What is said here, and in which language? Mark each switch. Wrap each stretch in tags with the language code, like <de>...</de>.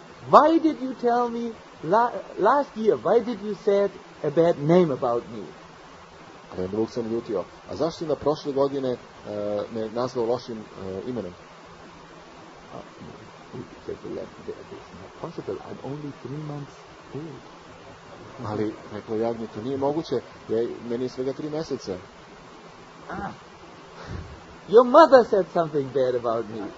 <en>Why did you tell me last year, why did you say a bad name about me?</en> <sr>Rembrug se naljutio. A zašto na prošle godine me nazvao lošim imenom?</sr> <en>It's not possible, I'm only 3 months old.</en> <sr>Ali, rekao Jagnje, to nije moguće, meni je svega 3 meseca.</sr> <en>Ah, your mother said something bad about me.</en>